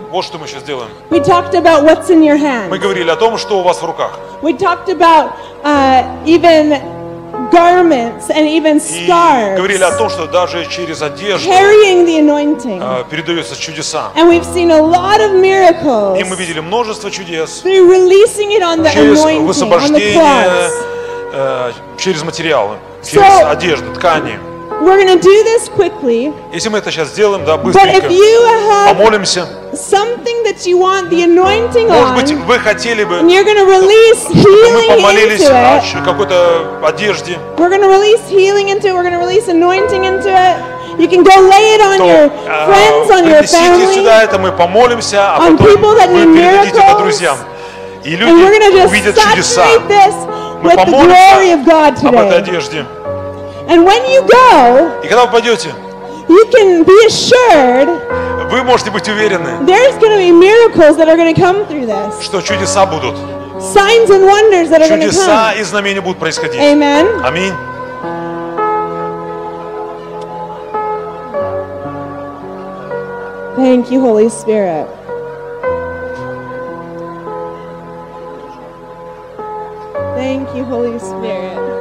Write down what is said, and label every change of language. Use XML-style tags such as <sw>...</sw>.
<ru>Вот что мы сейчас делаем.</ru> <en>We talked about what's in your hand.</en> <ru>Мы говорили о том, что у вас в руках.</ru> <en>We talked about even garments and even scars.</en> <ru>И говорили о том, что даже через одежду</ru> <en>carrying the anointing.</en> <ru>Передаются чудеса.</ru> <en>And we've seen a lot of miracles.</en> <ru>И мы видели множество чудес.</ru> <en>Through releasing it on the anointing,</en> <ru>через высвобождение, через материалы, через одежду, ткани.</ru> <en>We're going to do this quickly.</en> <ru>Если мы это сейчас сделаем, да, быстренько. Помолимся.</ru> <en>Something that you want the anointing on.</en> <ru>Может быть, вы хотели бы.</ru> <en>And you're going to release healing into it.</en> <ru>Чтобы мы помолились о какой-то одежде.</ru> <en>We're going to release healing into it. We're going to release anointing into it. You can go lay it on your friends, on your family.</en> <ru>Принесите сюда это, мы помолимся, а потом вы передадите это друзьям. И люди увидят чудеса. Мы помолимся об этой одежде.</ru> <en>And when you go,</en> <ru>и когда вы пойдете,</ru> <en>you can be assured,</en> <ru>вы можете быть уверены,</ru> <en>there's going to be miracles that are going to come through this,</en> <ru>что чудеса будут.</ru> <en>Signs and wonders that are going to come.</en> <ru>Чудеса и знамения будут происходить.</ru> <en>Amen.</en> <ru>Аминь.</ru> <en>Thank you, Holy Spirit. Thank you, Holy Spirit.</en>